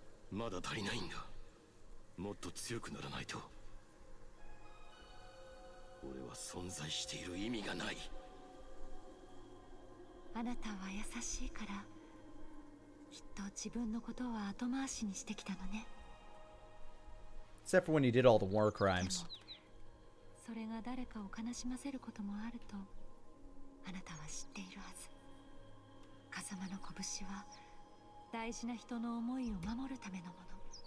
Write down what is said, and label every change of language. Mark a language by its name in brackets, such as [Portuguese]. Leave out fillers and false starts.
[Japanese] まだ足りないんだ。もっと強くならないと。俺は存在している意味がない。あなたは優しいから、きっと自分のことは後回しにしてきたのね。 [English] Except for when you did all the war crimes. [Japanese] それが誰かを悲しませることもあると、あなたは知っているはず。風間の拳は大事な人の思いを守るためのもの。